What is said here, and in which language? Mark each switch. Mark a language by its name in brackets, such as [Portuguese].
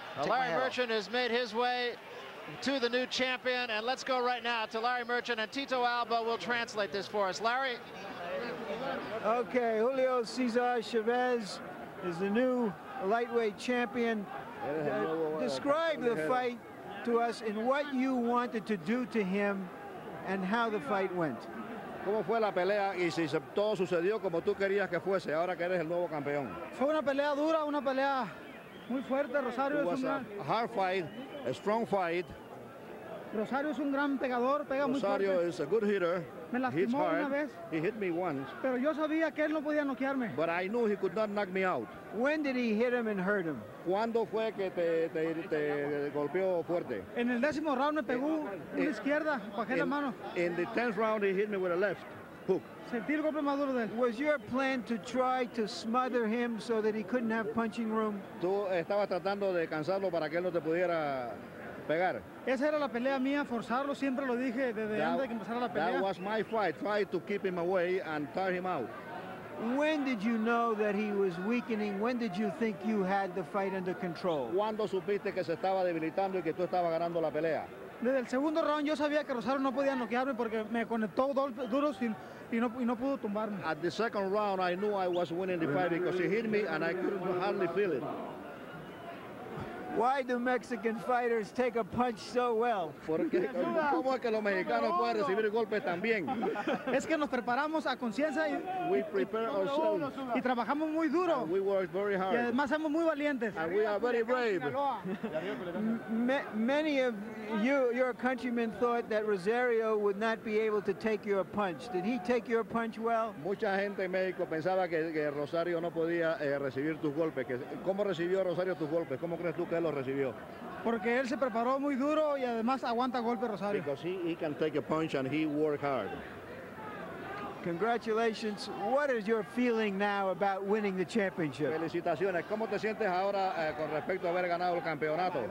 [English] Well, Larry Merchant has made his way to the new champion, and let's go right now to Larry Merchant, and Tito Alba will translate this for us. Larry? Okay, Julio Cesar Chavez is the new lightweight champion. Describe the fight to us and what you wanted to do to him and how the fight went. [Spanish] ¿Cómo fue la pelea y si todo sucedió como tú querías que fuese ahora que eres el nuevo campeón? Fue una pelea dura, una pelea muy fuerte. Rosario es un gran... [English] hard fight, a strong fight. [Spanish] Rosario es un gran pegador, pega muy fuerte. [English] Rosario is a good hitter. [Spanish] Me lastimó [English] hits hard. [Spanish] Una vez. [English] He hit me once. [Spanish] Pero yo sabía que él no podía noquearme. [English] But I knew he could not knock me out. When did he hit him and hurt him? [Spanish] ¿Cuándo fue que te golpeó fuerte? En el décimo round me pegó una izquierda, bajé la mano. [English] In the 10th round he hit me with a left hook. [Spanish] Sentí el golpe maduro de él. [English] Was your plan to try to smother him so that he couldn't have punching room? [Spanish] Tú estabas tratando de cansarlo para que él no te pudiera pegar. Esa era la pelea mía, forzarlo, siempre lo dije desde antes de que empezara la pelea. [English] That was my fight, try to keep him away and tire him out. When did you know that he was weakening? When did you think you had the fight under control? [Spanish] ¿Cuándo supiste que se estaba debilitando y que tú estabas ganando la pelea? Desde el segundo round yo sabía que Rosario no podía noquearme porque me conectó duro y no pudo tumbarme. [English] At the second round I knew I was winning the fight because he hit me and I couldn't hardly feel it. Why do Mexican fighters take a punch so well? [Spanish] ¿Cómo es que los mexicanos pueden recibir golpes tan bien? Es que nos preparamos a conciencia y [English] we prepare ourselves [Spanish] y trabajamos muy duro. [English] And we work very hard. [Spanish] Y además somos muy valientes. [English] And we are very brave. Many of you, your countrymen, thought that Rosario would not be able to take your punch. Did he take your punch well? [Spanish] Mucha gente en México pensaba que Rosario no podía recibir tus golpes. ¿Cómo recibió Rosario tus golpes? ¿Cómo crees tú que él lo recibió? Porque él se preparó muy duro y además aguanta golpe Rosario. [English] Because he can take a punch and he work hard. Congratulations. What is your feeling now about winning the championship? [Spanish] Felicitaciones. ¿Cómo te sientes ahora con respecto a haber ganado el campeonato?